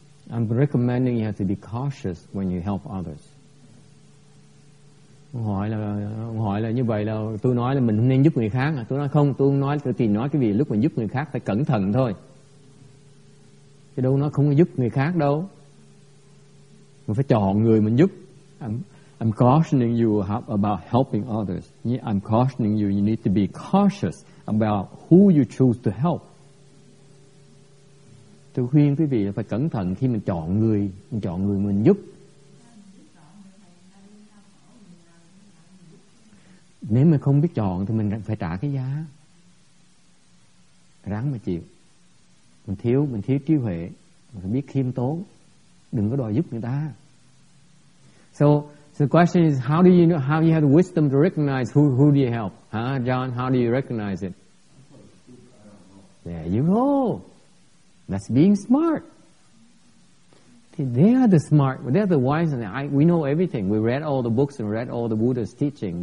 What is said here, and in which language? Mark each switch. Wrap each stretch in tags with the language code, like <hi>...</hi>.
<en>I'm recommending you have to be cautious when you help others.</en> <vi>Ông hỏi là như vậy là tôi nói là mình không nên giúp người khác à? Tôi nói không, tôi nói tôi chỉ nói cái gì lúc mình giúp người khác phải cẩn thận thôi. Chứ đâu nói không giúp người khác đâu. Mình phải chọn người mình giúp.</vi> <en>I'm cautioning you about helping others. I'm cautioning you. You need to be cautious about who you choose to help.</en> <vi>Tôi khuyên quý vị là phải cẩn thận khi mình chọn người, mình chọn người mình giúp. Nếu mình không biết chọn thì mình phải trả cái giá. Ráng mà chịu. Mình thiếu trí huệ, mình phải biết khiêm tốn. Đừng có đòi giúp người ta.</vi> <en>So the question is how you have the wisdom to recognize who do you help? John, how do you recognize it? There you go. That's being smart. They are the smart, they are the wise, and we know everything. We read all the books and read all the Buddha's teaching.</en>